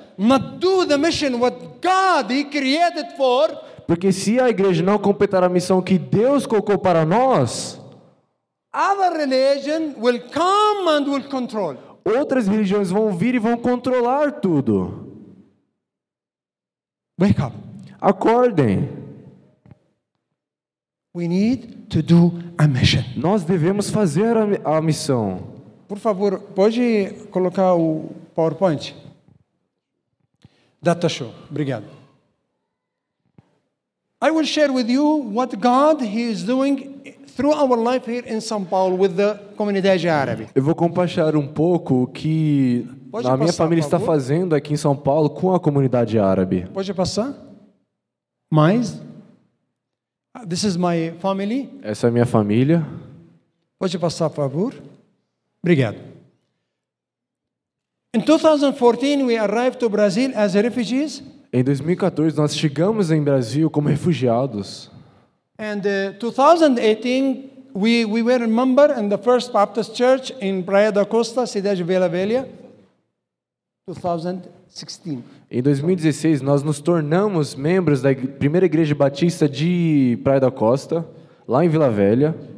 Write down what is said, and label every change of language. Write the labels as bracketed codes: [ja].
[en] Not do the mission what God he created for. [pt] Porque se a igreja não completar a missão que Deus colocou para nós, [en] other religion will come and will control. [pt] Outras religiões vão vir e vão controlar tudo. [en] Wake up. [pt] Acordem. [en] We need to do a mission. [pt] Nós devemos fazer a missão. Por favor, pode colocar o PowerPoint? Data show. Obrigado. [en] I will share with you what God he is doing through our life here in São Paulo with the [pt] comunidade árabe. Eu vou compartilhar um pouco o que a minha família está fazendo aqui em São Paulo com a comunidade árabe. Pode passar? Mais? [en] This is my family. [pt] Essa é a minha família. Pode passar, por favor? Obrigado. [en] In 2014 we arrived to Brazil as refugees. [pt] Em 2014 nós chegamos em Brasil como refugiados. [en] And 2018 we were a member in the First Baptist Church in Praia da Costa, Cidade Vila Velha. 2016. [pt] Em 2016 nós nos tornamos membros da Primeira Igreja Batista de Praia da Costa, lá em Vila Velha.